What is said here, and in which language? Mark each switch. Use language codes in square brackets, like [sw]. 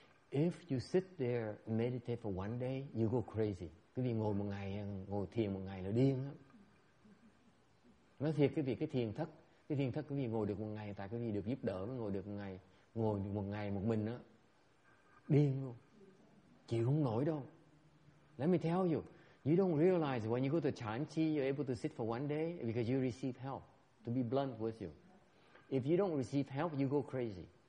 [en] If you sit there meditate for one day, you go crazy. [vi] Quý vị ngồi một ngày, ngồi thiền một ngày là điên lắm. Nói thiệt, quý vị, cái thiền thất quý vị ngồi được một ngày, tại quý vị được giúp đỡ, ngồi được một ngày một mình á, điên luôn, chịu không nổi đâu. [en] Let me tell you, you don't realize when you go to Chan Chi, you're able to sit for one day because you receive help. To be blunt with you, if you don't receive help, you go crazy.